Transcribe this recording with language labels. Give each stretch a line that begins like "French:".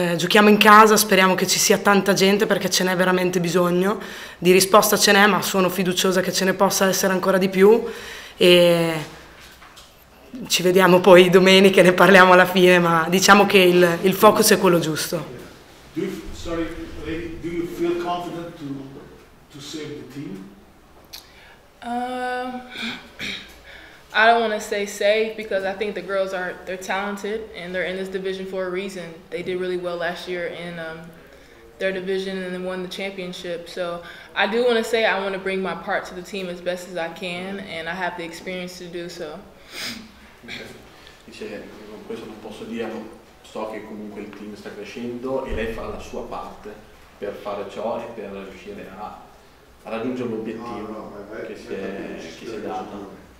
Italian: Giochiamo in casa, speriamo che ci sia tanta gente perché ce n'è veramente bisogno. Di risposta ce n'è, ma sono fiduciosa che ce ne possa essere ancora di più. E ci vediamo poi domenica e ne parliamo alla fine, ma diciamo che il focus è quello giusto.
English: Do you feel confident to save the team? I don't want to say safe because I think the girls they're talented and they're in this division for a reason. They did really well last year in their division and then won the championship. So I do want to say I want to bring my part to the team as best as I can and I have the experience to do so.
Italian: Dice, con questo non posso dire, ma so che comunque il team sta crescendo e lei fa la sua parte per fare ciò e per riuscire a raggiungere l'obiettivo che si è data.